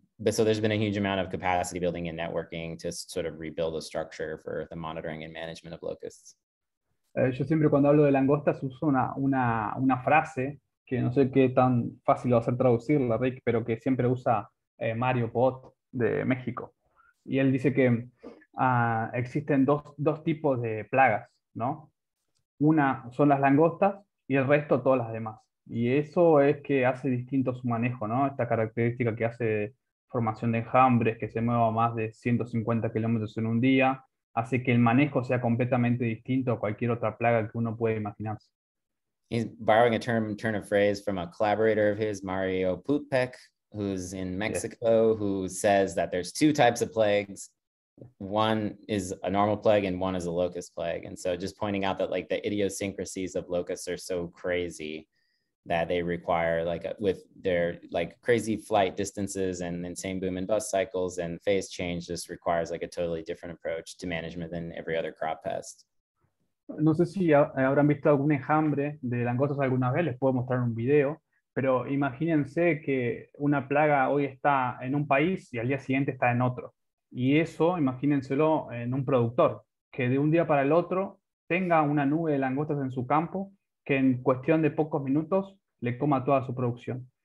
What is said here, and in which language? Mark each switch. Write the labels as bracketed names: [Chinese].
[English] So there's been a huge amount of capacity building and networking to sort of rebuild a structure for the monitoring and management of locusts. [Spanish] Yo siempre cuando hablo de langostas uso una frase que no sé qué tan fácil va a ser traducirla, Rick, pero que siempre usa Mario Pot de México. Y él dice que existen dos tipos de plagas, ¿no? Una son las langostas y el resto todas las demás. Y eso es que hace distinto su manejo, ¿no? Esta característica que hace formación de enjambres, que se mueva más de 150 kilómetros en un día, hace que el manejo sea completamente distinto a cualquier otra plaga que uno puede imaginarse. [English] He's borrowing a turn of phrase from a collaborator of his, Mario Putpec, who's in Mexico, yes, who says that there's two types of plagues. One is a normal plague and one is a locust plague. And so just pointing out that like the idiosyncrasies of locusts are so crazy that they require with their crazy flight distances and insane boom and bust cycles and phase change just requires a totally different approach to management than every other crop pest. [Spanish] No sé si habrán visto algún enjambre de langostas alguna vez, les puedo mostrar un video, pero imagínense que una plaga hoy está en un país y al día siguiente está en otro. Y eso, imagínenselo en un productor, que de un día para el otro tenga una nube de langostas en su campo, que en cuestión de pocos minutos le coma toda su producción.